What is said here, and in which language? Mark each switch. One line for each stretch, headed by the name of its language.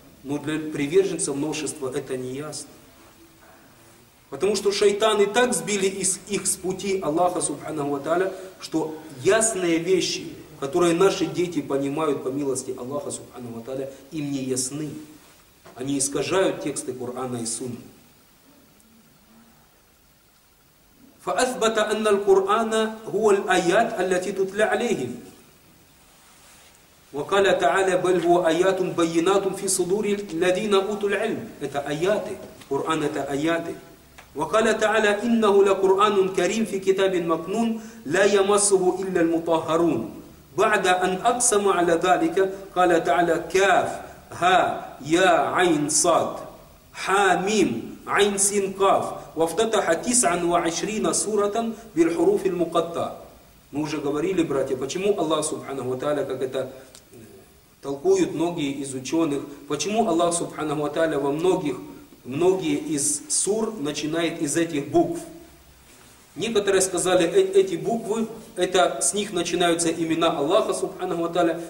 Russian: Но для приверженцев множества это не ясно. Потому что шайтаны так сбили их с пути Аллаха Субханаху ва Тааля, что ясные вещи, которые наши дети понимают по милости Аллаха Субханаху ва Тааля, им не ясны. Они искажают тексты Корана и Сунны.
Arabic: فأثبت أن القرآن هو الآيات التي تتلى عليهم. وقال تعالى: بل هو آيات بينات في صدور الذين أوتوا العلم.
Russian: Это аяты. Коран — это аяты.
Arabic: وقال تعالى: إنه لقرآن كريم في كتاب مكنون لا يمسه إلا المطهرون. بعد أن أقسم على ذلك قال تعالى: كاف ها يا عين صاد حاميم عين سين قاف وافتتح 29 سورة بالحروف المقطعة.
Russian: Мы уже говорили, братья, почему Аллах Субханаху ва Тааля, как это толкуют многие из ученых, почему Аллах Субханаху ва Тааля во многие из сур начинает из этих букв. Некоторые сказали, эти буквы, это с них начинаются имена Аллаха Субханаху ва Тааля.